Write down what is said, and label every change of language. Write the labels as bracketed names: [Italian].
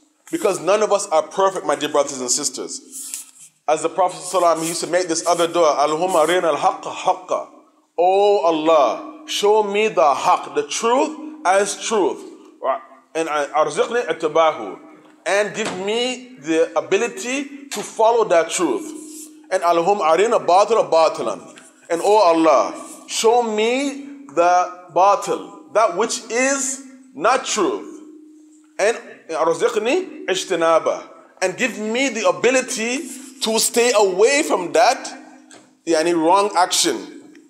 [English] Because none of us are perfect, my dear brothers and sisters. As the Prophet صلى الله عليه وسلم used to make this other dua, [Arabic] اللهم أرنا الحق حقا. [English] Oh Allah, show me the haq, the truth as truth. [Arabic] And أرزقني اتباعه. [English] And give me the ability to follow that truth. [Arabic] And اللهم أرنا الباطل باطلا. [English] And oh Allah, show me the batil, that which is not truth. [Arabic] And أرزقني اجتنابا. [English] And give me the ability to stay away from that, yani wrong action.